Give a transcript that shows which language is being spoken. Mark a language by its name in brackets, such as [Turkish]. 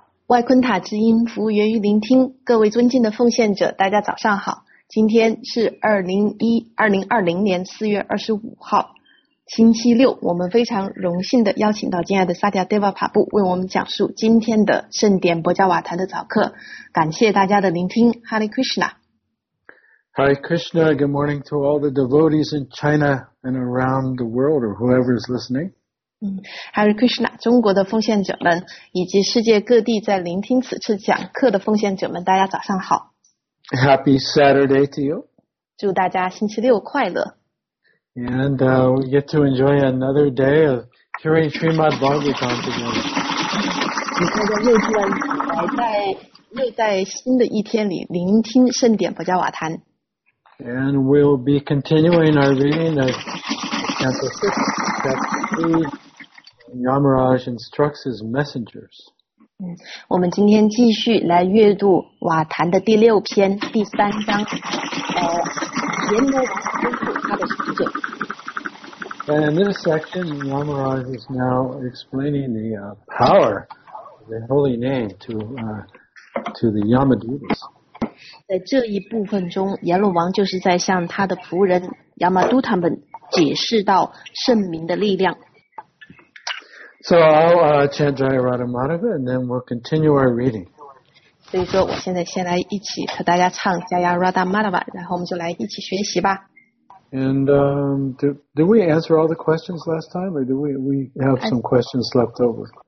[Chinese] 外昆塔之音，服务源于聆听。各位尊敬的奉献者，大家早上好。今天是2020年4月25号，星期六。我们非常荣幸的邀请到敬爱的萨迦德瓦帕布为我们讲述今天的圣典博加瓦坛的早课。感谢大家的聆听。Hare Krishna。 [Sanskrit] Hare Krishna. [English] Good morning to all the devotees in China and around the world, or whoever is listening. [Sanskrit] Hare Krishna. [Chinese] 中国的奉献者们以及世界各地在聆听此次讲课的奉献者们，大家早上好。 [English] Happy Saturday to you. [Chinese] 祝大家星期六快乐。 [English] And we get to enjoy another day of hearing Srimad Bhagavatam together. [Chinese] 又在新的一天里聆听圣典博加瓦坛。 [English] And we'll be continuing our reading of chapter 6, when Yamaraj instructs his messengers. [Chinese] 我们今天继续来阅读瓦坛的第六篇第三章，阎罗王吩咐他的使者。 [English] And in this section, Yamaraj is now explaining the power of the holy name to the Yamadutas. [Chinese] 在这一部分中，阎罗王就是在向他的仆人亚玛都塔们解释到圣名的力量。 [English] So I'll chant Jaya Radha Madhava, and then we'll continue our reading. [Chinese] 所以说，我现在先来一起和大家唱 Jaya Radha Madhava, 然后我们就来一起学习吧。 [English] And did we answer all the questions last time, or do we have some questions left over?